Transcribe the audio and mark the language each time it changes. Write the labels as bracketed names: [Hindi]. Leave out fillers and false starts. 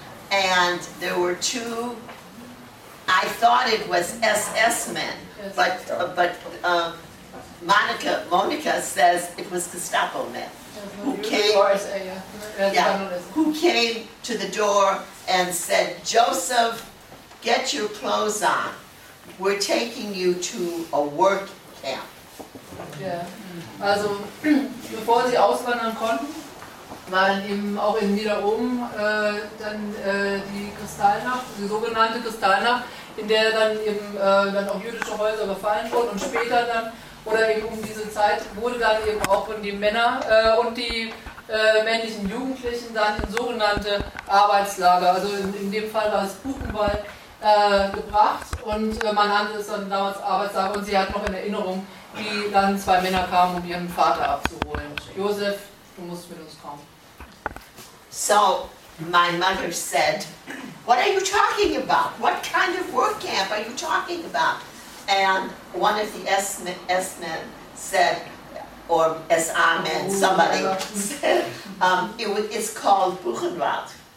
[English] And there were two, I thought it was SS men, but Monica says it was Gestapo men who came to the door and said, Joseph, get your clothes on. We're taking you to a work camp. Yeah. [German] Also bevor sie auswandern konnten, waren eben auch in Niederoben die Kristallnacht, die sogenannte Kristallnacht, in der dann eben dann auch jüdische Häuser befallen wurden und später dann, oder eben um diese Zeit, wurde dann eben auch von den Männern und die männlichen Jugendlichen dann in sogenannte Arbeitslager, also in dem Fall war es Buchenwald, gebracht und man nannte es dann damals Arbeitslager und sie hat noch in Erinnerung, wie dann zwei Männer kamen, um ihren Vater abzuholen. Josef, du musst mit uns kommen. [English] So, my mother said, what are you talking about? What kind of work camp are you talking about? And one of the S-men said, or S-amen, somebody said, it's called Buchenwald.